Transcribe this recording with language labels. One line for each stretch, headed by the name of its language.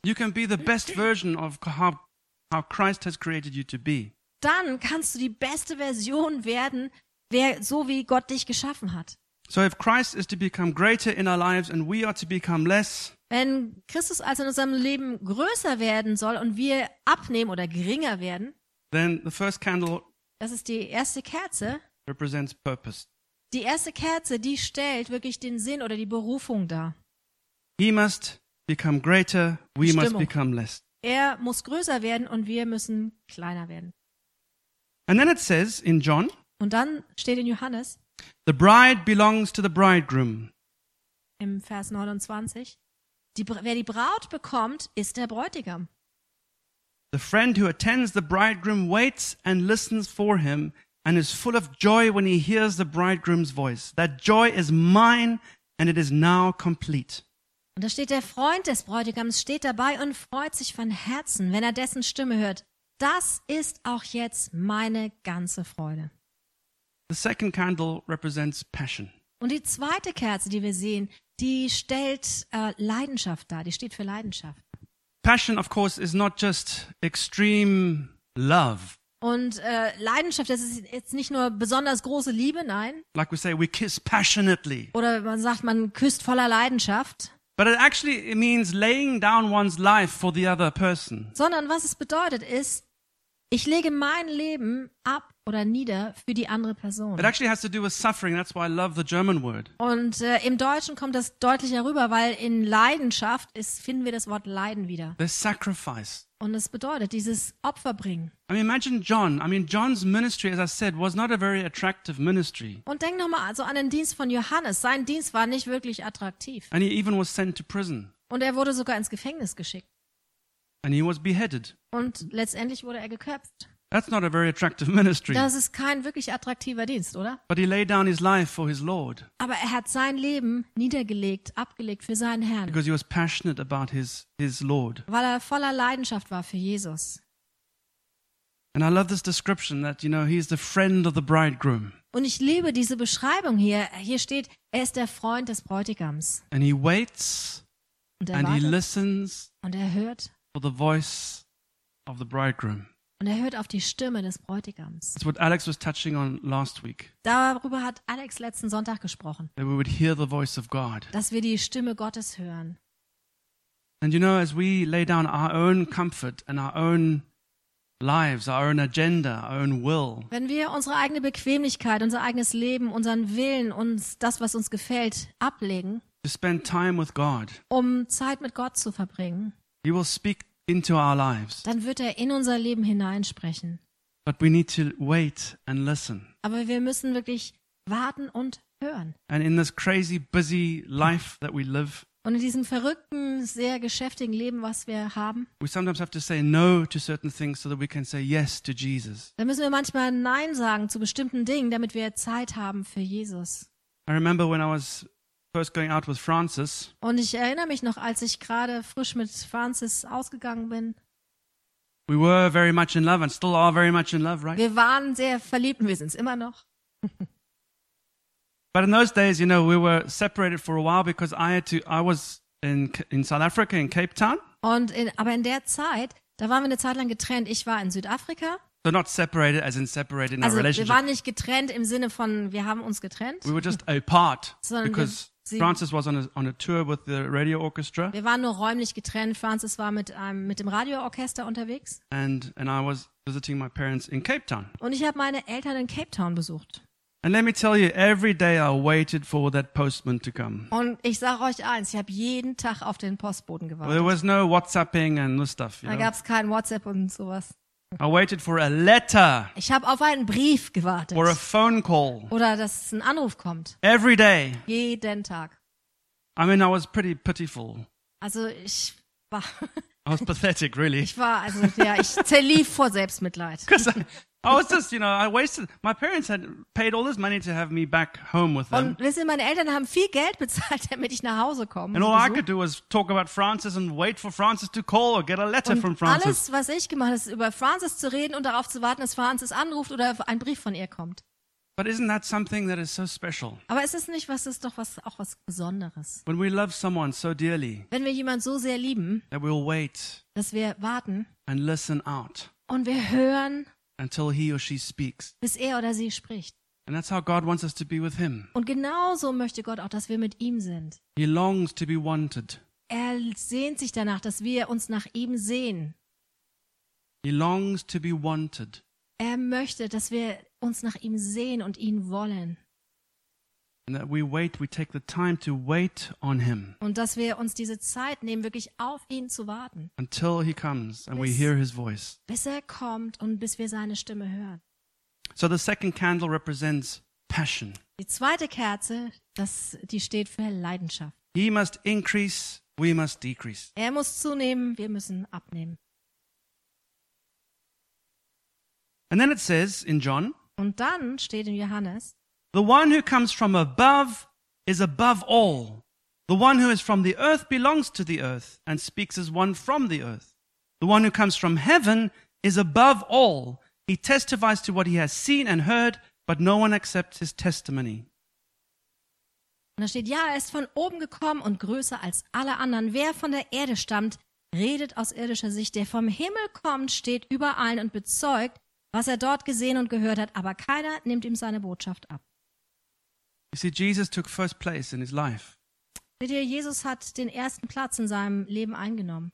English: You can be the best version of how Christ has created you to be.
German: Dann kannst du die beste Version werden, so wie Gott dich geschaffen hat.
English: So if Christ is to become greater in our lives and we are to become less.
German: Wenn Christus also in unserem Leben größer werden soll und wir abnehmen oder geringer werden.
English: Then the first candle.
German: Das ist die erste Kerze.
English: Represents purpose.
German: Die erste Kerze, die stellt wirklich den Sinn oder die Berufung dar.
English: He must become greater, we must become less.
German: Er muss größer werden und wir müssen kleiner werden.
English: And then it says in John.
German: Und dann steht in Johannes.
English: The bride belongs to the bridegroom.
German: Im Vers 29. Wer die Braut bekommt, ist der Bräutigam.
English: The friend who attends the bridegroom waits and listens for him and is full of joy when he hears the bridegroom's voice. That joy is mine and it is now complete.
German: Und da steht, der Freund des Bräutigams steht dabei und freut sich von Herzen, wenn er dessen Stimme hört. Das ist auch jetzt meine ganze Freude.
English: The second candle represents passion.
German: Und die zweite Kerze, die wir sehen, die stellt Leidenschaft dar. Die steht für Leidenschaft.
English: Passion, of course, is not just extreme love.
German: Und Leidenschaft, das ist jetzt nicht nur besonders große Liebe, nein.
English: Like we say, we kiss passionately.
German: Oder man sagt, man küsst voller Leidenschaft.
English: But it actually means laying down one's life for the other person.
German: Sondern was es bedeutet ist, ich lege mein Leben ab oder nieder für die andere Person.
English: It actually has to do with suffering, that's why I love the German word.
German: Und im Deutschen kommt das deutlicher rüber, weil in Leidenschaft finden wir das Wort Leiden wieder.
English: The sacrifice.
German: Und es bedeutet dieses Opfer bringen.
English: I mean, imagine John. I mean, John's ministry, as I said, was not a very attractive ministry.
German: Und denk nochmal also an den Dienst von Johannes. Sein Dienst war nicht wirklich attraktiv.
English: And he even was sent to prison.
German: Und er wurde sogar ins Gefängnis geschickt.
English: And he was beheaded.
German: Und letztendlich wurde er geköpft.
English: That's not a very attractive ministry.
German: Das ist kein wirklich attraktiver Dienst, oder?
English: But he laid down his life for his Lord.
German: Aber er hat sein Leben niedergelegt, abgelegt für seinen Herrn.
English: Because he was passionate about his Lord.
German: Weil er voller Leidenschaft war für Jesus.
English: And I love this description that, you know, he's the friend of the bridegroom.
German: Und ich liebe diese Beschreibung hier. Hier steht, er ist der Freund des Bräutigams.
English: And he waits and he listens
German: und er hört
English: for the voice of the bridegroom.
German: Und er hört auf die Stimme des Bräutigams.
English: That's what Alex was touching on last week.
German: Darüber hat Alex letzten Sonntag gesprochen.
English: That we would hear the voice of God.
German: Dass wir die Stimme Gottes hören.
English: And you know, as we lay down our own comfort and our own lives, our own agenda, our own will.
German: Wenn wir unsere eigene Bequemlichkeit, unser eigenes Leben, unseren Willen, uns das, was uns gefällt, ablegen.
English: To spend time with God.
German: Um Zeit mit Gott zu verbringen.
English: He will speak into our lives.
German: Dann wird er in unser Leben hineinsprechen.
English: But we need to wait and listen.
German: Aber wir müssen wirklich warten und hören.
English: And in this crazy busy life that we live.
German: Und in diesem verrückten, sehr geschäftigen Leben, was wir haben.
English: We sometimes have to say no to certain things so that we can say yes to Jesus.
German: Da müssen wir manchmal nein sagen zu bestimmten Dingen, damit wir Zeit haben für Jesus.
English: I remember when I was first going out with Francis.
German: Und ich erinnere mich noch, als ich gerade frisch mit Francis ausgegangen bin.
English: We were very much in love and still are very much in love, right?
German: Wir waren sehr verliebt, wir sind es immer noch.
English: But in those days, you know, we were separated for a while because I was in South Africa in Cape Town.
German: Und aber in der Zeit, da waren wir eine Zeit lang getrennt. Ich war in Südafrika.
English: So not separated as in separated in
German: also,
English: our relationship.
German: Also wir waren nicht getrennt im Sinne von wir haben uns getrennt.
English: We were just apart because Francis was on a tour with the radio orchestra.
German: Wir waren nur räumlich getrennt. Francis war mit dem Radioorchester unterwegs.
English: And I was visiting my parents in Cape Town.
German: Und ich habe meine Eltern in Cape Town besucht.
English: And let me tell you, every day I waited for that postman to come.
German: Und ich sage euch eins, ich habe jeden Tag auf den Postboten gewartet.
English: There was no WhatsApping and no stuff.
German: Da gab es kein WhatsApp und sowas.
English: I waited for a letter.
German: Ich habe auf einen Brief gewartet.
English: Or a phone call.
German: Oder dass ein Anruf kommt.
English: Every day.
German: Jeden Tag.
English: I mean, I was pretty pitiful.
German: Also ich war.
English: I was pathetic, really.
German: Ich zerlief vor Selbstmitleid.
English: I was just, you know, I wasted. My parents had paid all this money to have me back home with them.
German: Und wissen, meine Eltern haben viel Geld bezahlt, damit ich nach Hause komme.
English: And all I could do was talk about Francis and wait for Francis to call or get a letter
German: und
English: from Francis.
German: Alles, was ich gemacht habe, ist über Francis zu reden und darauf zu warten, dass Francis anruft oder ein Brief von ihr kommt.
English: But isn't that something that is so special?
German: Aber ist es nicht, was ist doch was auch was Besonderes?
English: When we love someone so dearly.
German: Wenn wir jemanden so sehr lieben.
English: That we'll wait.
German: Dass wir warten.
English: And listen out.
German: Und wir hören.
English: Until he or she speaks.
German: Bis er oder sie spricht.
English: And that's how God wants us to be with him.
German: Und genauso möchte Gott auch, dass wir mit ihm sind.
English: He longs to be wanted.
German: Er sehnt sich danach, dass wir uns nach ihm sehen.
English: He longs to be wanted.
German: Er möchte, dass wir uns nach ihm sehen und ihn wollen.
English: And that we wait, we take the time to wait on him.
German: Und dass wir uns diese Zeit nehmen, wirklich auf ihn zu warten.
English: Until he comes and we hear his voice.
German: Bis er kommt und bis wir seine Stimme hören.
English: So the second candle represents passion.
German: Die zweite Kerze, die steht für Leidenschaft.
English: He must increase, we must decrease.
German: Er muss zunehmen, wir müssen abnehmen.
English: And then it says in John.
German: Und dann steht in Johannes.
English: The one who comes from above is above all. The one who is from the earth belongs to the earth and speaks as one from the earth. The one who comes from heaven is above all. He testifies to what he has seen and heard, but no one accepts his testimony.
German: Und da steht, ja, er ist von oben gekommen und größer als alle anderen. Wer von der Erde stammt, redet aus irdischer Sicht. Der vom Himmel kommt, steht über allen und bezeugt, was er dort gesehen und gehört hat, aber keiner nimmt ihm seine Botschaft ab.
English: You see, Jesus took first place in his life.
German: Seht ihr, Jesus hat den ersten Platz in seinem Leben eingenommen.